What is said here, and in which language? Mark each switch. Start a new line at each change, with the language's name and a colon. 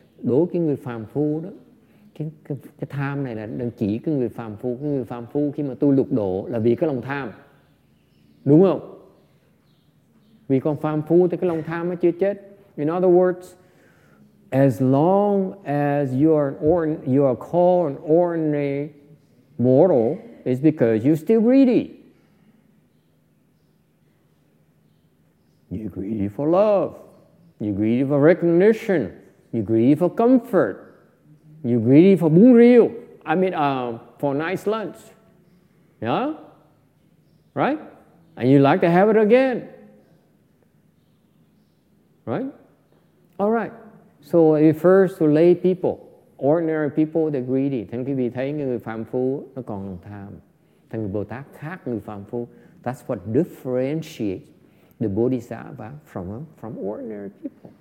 Vietnamese: Đối với người phàm phu đó, cái tham này là đừng chỉ cái người phàm phu. Cái người phàm phu khi mà tôi lục độ là vì cái lòng tham. Đúng không? Vì con phàm phu thì cái lòng tham nó chưa chết.
English: In other words, as long as you are called an ordinary mortal, it's because you're still greedy. You're greedy for love. You're greedy for recognition. You're greedy for comfort. You're greedy for bún riêu. I mean, for a nice lunch. Yeah? Right? And you like to have it again. Right? All right. So it refers to lay people. Ordinary people, they're greedy.
Vietnamese: Thành quý vị thấy người phàm phu nó còn lòng tham. Thành người Bồ Tát khác người phàm phu.
English: That's what differentiates the Bodhisattva from ordinary people.